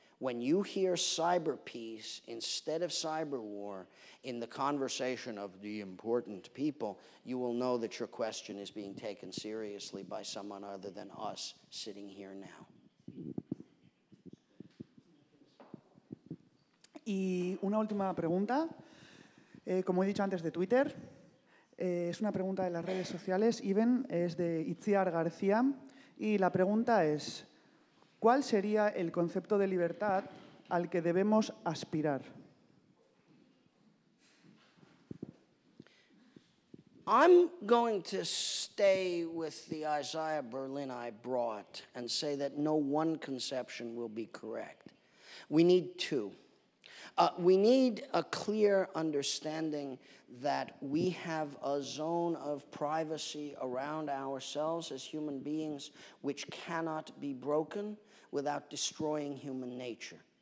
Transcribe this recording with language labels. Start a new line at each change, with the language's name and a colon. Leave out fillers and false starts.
English: When you hear cyber peace instead of cyber war in the conversation of the important people, you will know that your question is being taken seriously by someone other than us sitting here now.
Spanish: Y una última pregunta, como he dicho antes, de Twitter. Es una pregunta de las redes sociales. Eben es de Itziar García. Y la pregunta es, ¿cuál sería el concepto de libertad al que debemos aspirar?
English: I'm going to stay with the Isaiah Berlin I brought and say that no one conception will be correct. We need two. We need a clear understanding that we have a zone of privacy around ourselves as human beings which cannot be broken without destroying human nature.